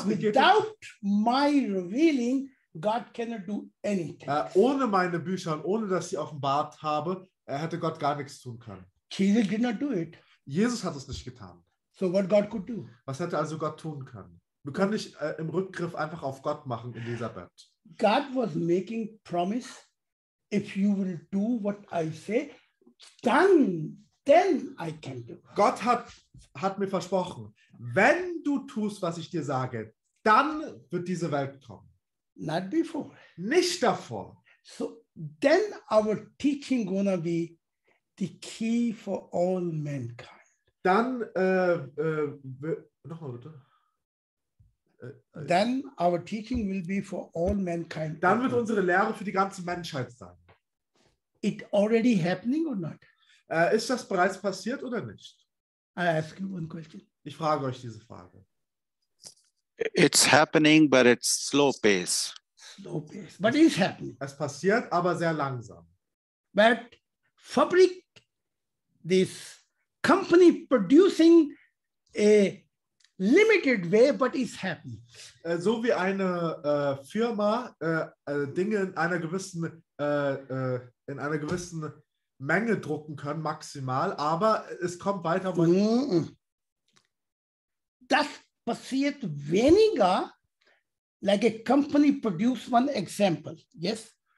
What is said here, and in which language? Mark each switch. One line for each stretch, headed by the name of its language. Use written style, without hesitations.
English: without my revealing, God cannot do anything.
German: Ohne meine Bücher und ohne dass ich offenbart habe, hätte Gott gar nichts tun können.
English: Jesus did not do it.
German: Jesus hat es nicht getan.
English: So what God could do.
German: Was hätte also Gott tun können? Wir können nicht im Rückgriff einfach auf Gott machen, Elisabeth.
English: God was making promise, if you will do what I say, then I can do.
German: Gott hat mir versprochen, wenn du tust, was ich dir sage, dann wird diese Welt kommen.
English: Not before.
German: Nicht davor.
English: So then our teaching gonna be the key for all mankind.
German: Dann noch mal bitte.
English: Then our teaching will be for all mankind.
German: Dann wird unsere Lehre für die ganze Menschheit sein.
English: It already happening or not?
German: Ist das bereits passiert oder nicht?
English: I ask you one question.
German: Ich frage euch diese Frage.
English: It's happening, but it's slow pace. Slow pace. But it's happening.
German: Es passiert, aber sehr langsam.
English: But fabric, this company producing a limited way, but it's happening.
German: So wie eine Firma Dinge in einer gewissen Menge drucken können, maximal, aber es kommt weiter. Das passiert weniger,
English: like a company produce one example, yes?